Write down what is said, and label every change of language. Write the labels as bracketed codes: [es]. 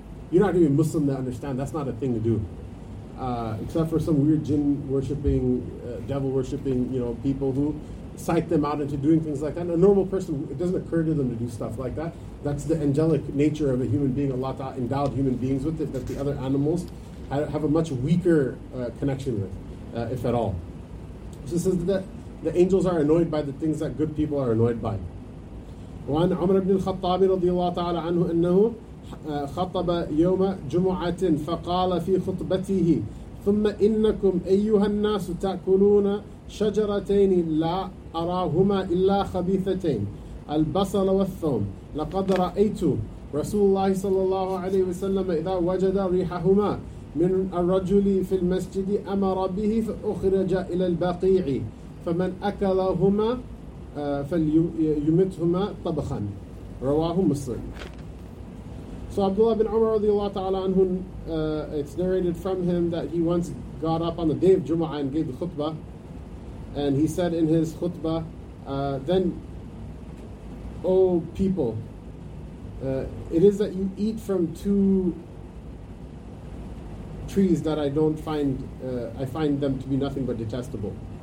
[en] You're not even Muslim to understand that's not a thing to do. Except for some weird jinn-worshipping, devil-worshipping, you know, people who psych them out into doing things like that. And a normal person, it doesn't occur to them to do stuff like that. That's the angelic nature of a human being. Allah Ta'ala endowed human beings with it, that the other animals have a much weaker connection with, if at all. So it says that the angels are annoyed by the things that good people are annoyed by. [ar] وعن عمر بن الخطاب رضي الله تعالى عنه أنه خطب يوم جمعة فقال في خطبته ثم إنكم أيها الناس تأكلون شجرتين لا أراهما إلا خبيثتين البصل والثوم لقد رأيت رسول الله صلى الله عليه وسلم إذا وجد ريحهما من الرجل في المسجد أمر به فأخرج إلى البقيع فمن أكلهما فليمتهما طبخا رواه مسلم. [en] So Abdullah bin Umar [ar] radiallahu ta'ala anhu, [en] it's narrated from him that he once got up on the day of Jumu'ah and gave the khutbah. And he said in his khutbah, then, O people, it is that you eat from two trees that I don't find, I find them to be nothing but detestable.